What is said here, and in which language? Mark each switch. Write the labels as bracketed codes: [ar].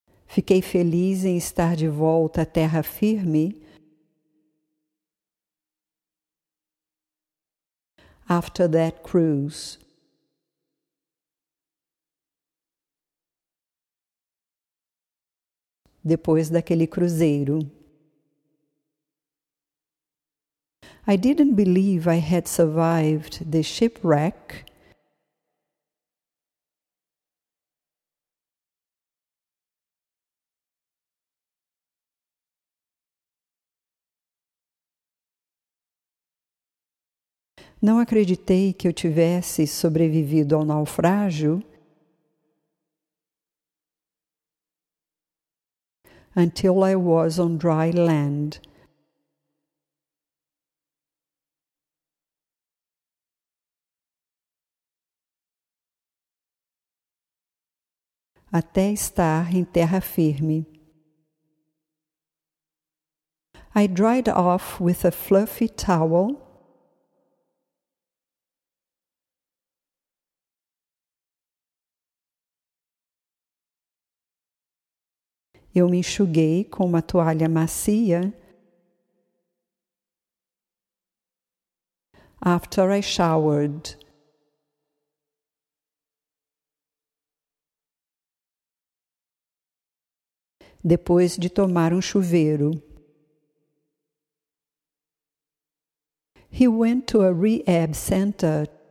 [pt] Fiquei feliz em estar de volta à terra firme [en] after that cruise. [pt] Depois daquele cruzeiro. [en] I didn't believe I had survived the shipwreck. [pt] Não acreditei que eu tivesse sobrevivido ao naufrágio. [en] Until I was on dry land. [pt] Até estar em terra firme. [en] I dried off with a fluffy towel. [pt] Eu me enxuguei com uma toalha macia [en] after I showered. [pt] Depois de tomar um chuveiro. [en] He went to a rehab center.